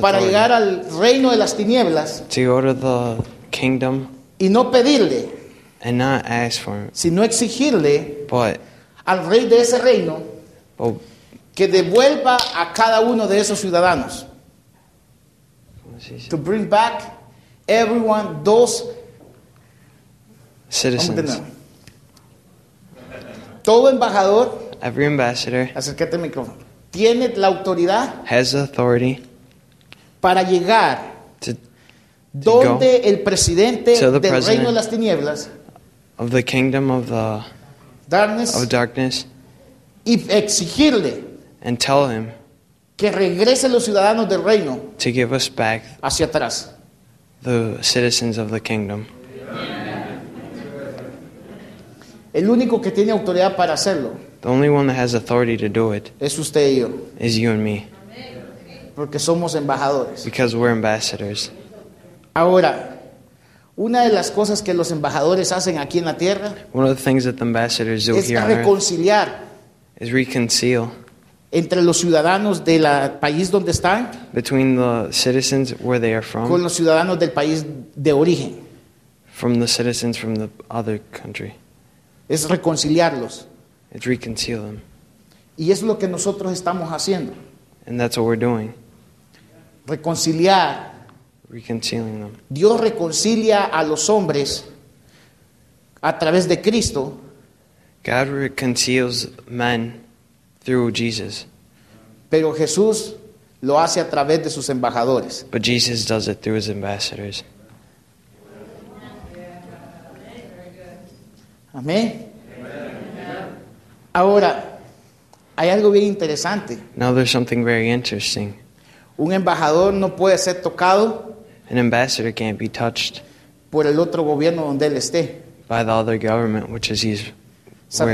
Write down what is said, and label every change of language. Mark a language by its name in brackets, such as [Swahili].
[Spanish] Para llegar al reino de las tinieblas. [English] To go to the kingdom. [Spanish] Y no pedirle. [English] And not ask for him. [Spanish] Sino exigirle. [English] But. [Spanish] Al rey de ese reino. [English] But, [Spanish] que devuelva a cada uno de esos ciudadanos. [English] To bring back everyone, those citizens. [Spanish] Todo embajador, [English] every ambassador, [Spanish] acércate al micrófono, tiene la autoridad, [English] has the authority, [Spanish] para llegar [English] to [Spanish] donde [English] go [Spanish] el presidente del [English] president [Spanish] reino de las tinieblas, [English] of the kingdom of the darkness, of darkness, [Spanish] y exigirle, [English] and tell him, [Spanish] que regrese los ciudadanos del reino, [English] to give us back, [Spanish] hacia atrás, [English] the citizens of the kingdom. [Spanish] El único que tiene autoridad para hacerlo. [English] The only one that has authority to do it. [Spanish] Es usted y yo. [English] Is you and me. [Spanish] Porque somos embajadores. [English] Because we're ambassadors. [Spanish] Ahora, una de las cosas que los embajadores hacen aquí en la tierra. [English] One of the things that the ambassadors do here. [Spanish] Es reconciliar. [English] Is reconcile. [Spanish] Entre los ciudadanos del país donde están. [English] Between the citizens where they are from. [Spanish] Con los ciudadanos del país de origen. [English] From the citizens from the other country. [Spanish] Es reconciliarlos. [English] It's reconcile them. [Spanish] Y es lo que nosotros estamos haciendo. [English] And that's what we're doing. [Spanish] Reconciliar. [English] Reconciling them. [Spanish] Dios reconcilia a los hombres a través de Cristo. [English] God reconciles men through Jesus. [Spanish] Pero Jesús lo hace a través de sus embajadores. [English] But Jesus does it through his ambassadors. [Spanish] Amén. Ahora, hay algo bien interesante. [English] Now there's something very interesting. [Spanish] Un embajador no puede ser tocado. [English] An ambassador can't be touched. [Spanish] Por el otro gobierno donde él esté. [English] By the other government, which is he's where